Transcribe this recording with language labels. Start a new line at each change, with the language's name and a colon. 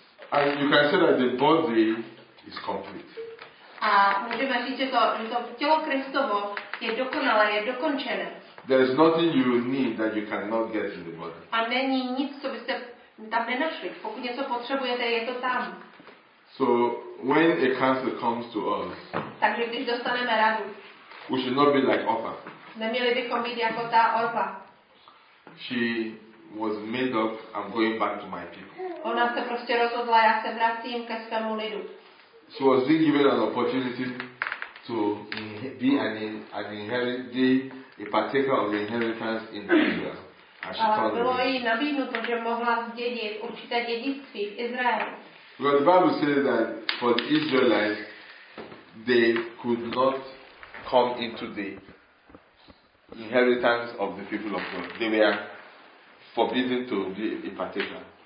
English: And you can say that the body is complete.
Czech: A můžeme říct, že to tělo Kristovo je dokonalé, je dokončené.
English: There is nothing you need that you cannot get in the body.
Czech: A není nic, co byste tam nenašli. Pokud něco potřebujete, je to tam.
English: So when a cancer comes to us.
Czech: Takže když dostaneme radu.
English: We should not be like Orpa.
Czech: Neměli bychom být jako ta Orpa.
English: She was made up. I'm going back to my people.
Czech: Ona se prostě rozhodla, já se vracím ke svému lidu.
English: She was being given an opportunity to be an inheritance, a partaker of the inheritance in Israel.
Czech: Ale bylo jí nabídnuto, že mohla zdědit určité dědictví v Izraeli.
English: But the Bible says that for the Israelites, they could not come into the inheritance of the people of God. They were forbidden to be a partaker.